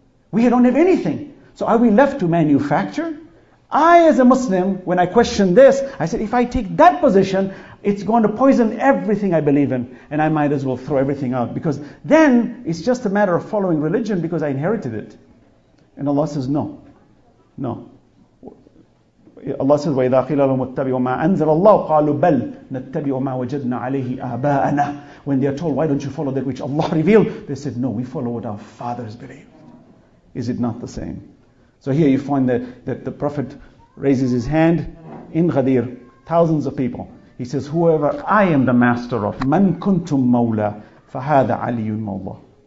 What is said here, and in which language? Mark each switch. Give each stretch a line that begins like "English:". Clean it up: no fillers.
English: We don't have anything. So are we left to manufacture? I, as a Muslim, when I question this, I said, if I take that position, it's going to poison everything I believe in, and I might as well throw everything out. Because then it's just a matter of following religion because I inherited it. And Allah says, no. No. Allah says,
Arabic: وَإِذَا قِيلَ لَهُمُ اتَّبِعُوا مَا أَنزَلَ اللَّهُ قَالُوا بَلْ نَتَّبِعُوا مَا وَجَدْنَا عَلَيْهِ آبَاءَنَا.
English: When they are told, why don't you follow that which Allah revealed? They said, no, we follow what our fathers believed. Is it not the same? So here you find that the Prophet raises his hand in Ghadir, thousands of people. He says, whoever I am the master of, man kuntum mawla, fahada aliyun mawla.